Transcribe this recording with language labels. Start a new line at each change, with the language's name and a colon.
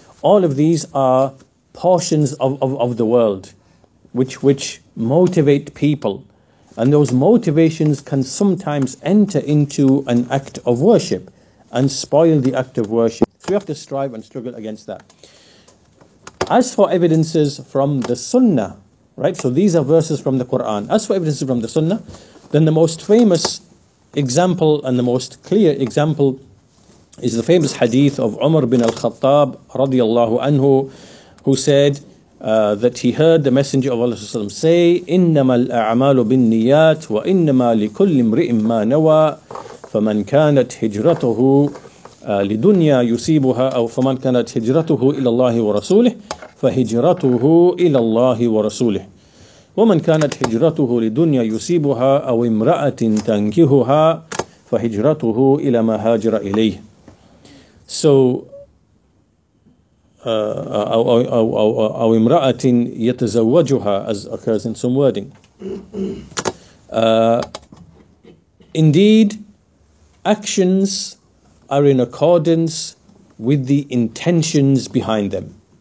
English: All of these are portions of the world which motivate people. And those motivations can sometimes enter into an act of worship and spoil the act of worship. So we have to strive and struggle against that. As for evidences from the Sunnah, right? So these are verses from the Quran. As for evidences from the Sunnah, then the most famous example and the most clear example is the famous hadith of Umar bin al-Khattab radiallahu anhu, who said that he heard the Messenger of Allah say,
Arabic: إِنَّمَا الْأَعْمَالُ بِالنِّيَّاتِ وَإِنَّمَا لِكُلِّ امْرِئٍ مَّا نَوَىٰ فَمَنْ كَانَتْ هِجْرَتُهُ لِدُنْيَا يُسِيبُهَا أَوْ فَمَنْ كَانَتْ هِجْرَتُهُ إِلَى اللَّهِ وَرَسُولِهِ فَهِجْرَتُهُ إِلَى اللَّهِ وَرَسُولِهِ وَمَنْ كَانَتْ هِجْرَتُهُ لِدُنْيَا يُسِيبُهَا أَوْ امْرَأَةٍ تَنْكِهُهَا فَهِجْرَتُهُ إِلَى مَا هَاجَرَ إِلَيْهِ.
English: So,
Arabic: أَوْ امْرَأَةٍ يَتَزَوَّجُهَا,
English: as occurs in some wording. Indeed, actions are in accordance with the intentions behind them.